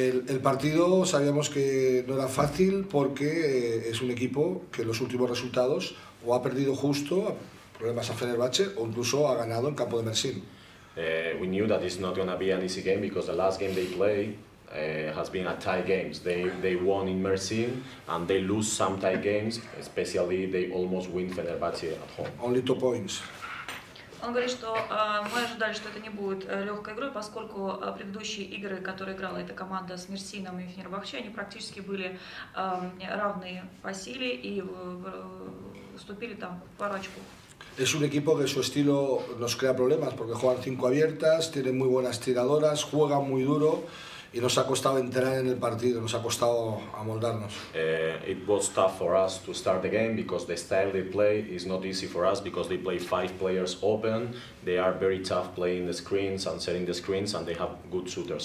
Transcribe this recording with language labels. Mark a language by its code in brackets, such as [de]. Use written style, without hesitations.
[es] El partido sabíamos que no era fácil porque es un equipo que en los últimos resultados o ha perdido justo problemas a Fenerbahce o incluso ha ganado en campo de Mersin. [en] We knew that it's not going to be an easy game because the last game they play has been a tie games. They won in Mersin and they lose some tie games, especially they almost win Fenerbahce at home. Only 2 points. [ru] Он говорит, что мы ожидали, что это не будет легкой игрой, поскольку предыдущие игры, которые играла эта команда с Мерсином и Фенербахче, они практически были равные по силе и уступили там пару очков. [es] Es un equipo que su estilo nos crea problemas porque juegan 5 abiertas, tienen muy buenas tiradoras, juegan muy duro. Y nos ha costado entrar en el partido, nos ha costado amoldarnos. [en] It was tough for us to start the game because the style they play is not easy for us because they play 5 players open. They are very tough playing the screens and setting the screens and they have good shooters.